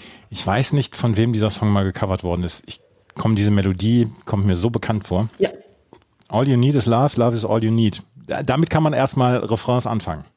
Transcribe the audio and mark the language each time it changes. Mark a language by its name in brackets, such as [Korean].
[German] Ich weiß nicht, von wem dieser Song mal gecovert worden ist. Diese Melodie kommt mir so bekannt vor. Ja. [English] All you need is love, love is all you need. [German] Damit kann man erstmal Refrains anfangen.